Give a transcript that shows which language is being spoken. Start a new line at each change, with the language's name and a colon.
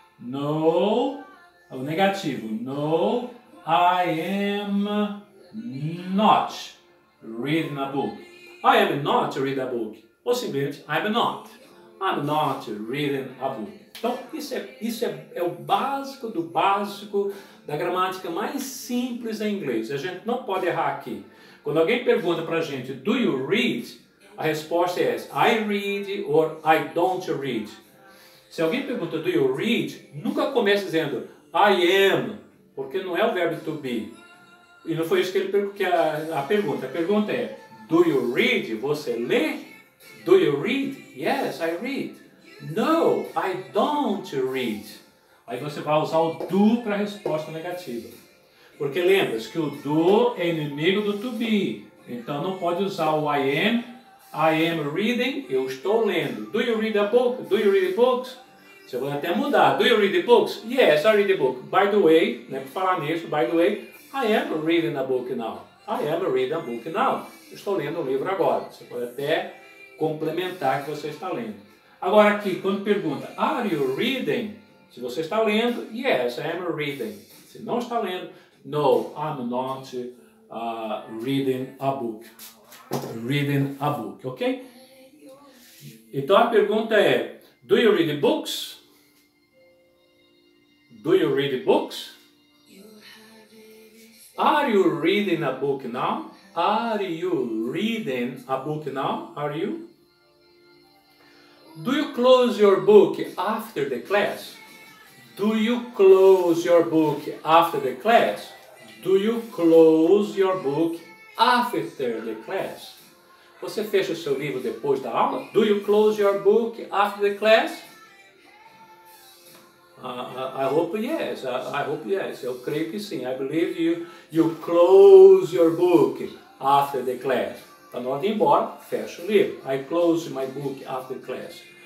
Portuguese: No, é o negativo.
English: No, I am not. Reading a book. I am not reading a book.
Portuguese: Ou simplesmente,
English: I'm not reading a book.
Portuguese: Então, isso é o básico do básico da gramática mais simples em inglês. A gente não pode errar aqui. Quando alguém pergunta para a gente,
English: do you read?
Portuguese: A resposta é,
English: I read or I don't read.
Portuguese: Se alguém pergunta,
English: do you read?
Portuguese: Nunca comece dizendo,
English: I am,
Portuguese: porque não é o verbo to be. E não foi isso que ele perguntou, a pergunta é,
English: do you read?
Portuguese: Você lê? Do you read?
English: Yes, I read. No, I don't read.
Portuguese: Aí você vai usar o do para a resposta negativa. Porque lembra-se que o do é inimigo do to be. Então não pode usar o
English: I am reading,
Portuguese: eu estou lendo.
English: Do you read a book? Do you read books?
Portuguese: Você vai até mudar.
English: Do you read books? Yes, I read a book. By the way,
Portuguese: né, para falar nisso,
English: by the way, I am reading a book now. I am reading a book now.
Portuguese: Estou lendo um livro agora. Você pode até complementar que você está lendo. Agora aqui, quando pergunta,
English: are you reading?
Portuguese: Se você está lendo,
English: yes, I am reading.
Portuguese: Se não está lendo,
English: no, I'm not reading a book. Reading a book, ok?
Portuguese: Então a pergunta é,
English: do you read books? Do you read books? Are you reading a book now? Are you reading a book now? Are you? Do you close your book after the class? Do you close your book after the class? Do you close your book after the class?
Portuguese: Você fecha o seu livro depois da aula?
English: Do you close your book after the class? I hope yes.
Portuguese: Eu creio que sim.
English: I believe you close your book after the class.
Portuguese: Tá na hora de ir embora, fecha o livro.
English: I close my book after class.